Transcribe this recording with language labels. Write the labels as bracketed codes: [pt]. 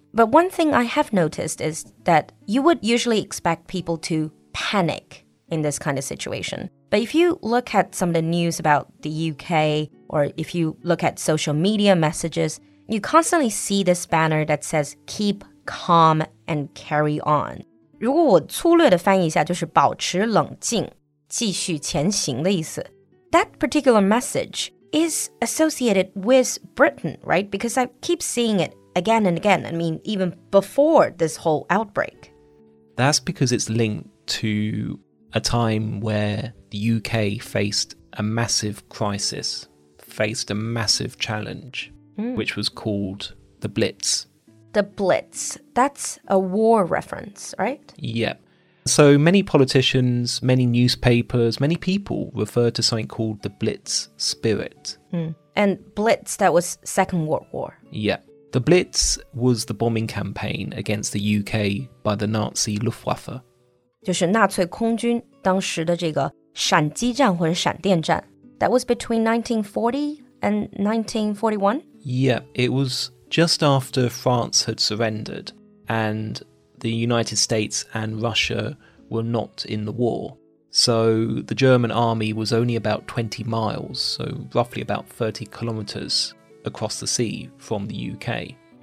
[en] But one thing I have noticed is that you would usually expect people to panic in this kind of situation. But if you look at some of the news about the UK, or if you look at social media messages, you constantly see this banner that says, keep calm and carry on. [zh] 如果我粗略地翻译一下，就是保持冷静。继续前行的意思。 [en] That particular message is associated with Britain, right? Because I keep seeing it again and again. I mean, even before this whole outbreak. That's because it's linked to a time where the UK faced a massive crisis, faced a massive challenge, which was called the Blitz. The Blitz. That's a war reference, right? Yep. So many politicians, many newspapers, many people refer to something called the Blitz spirit. And Blitz, that was Second World War. Yeah. The Blitz was the bombing campaign against the UK by the Nazi Luftwaffe. [zh] 就是纳粹空军当时的这个闪击战或者闪电战。 [en] That was between 1940 and 1941? Yeah, it was just after France had surrendered and... the United States and Russia were not in the war. So the German army was only about 20 miles, so roughly about 30 kilometers across the sea from the UK.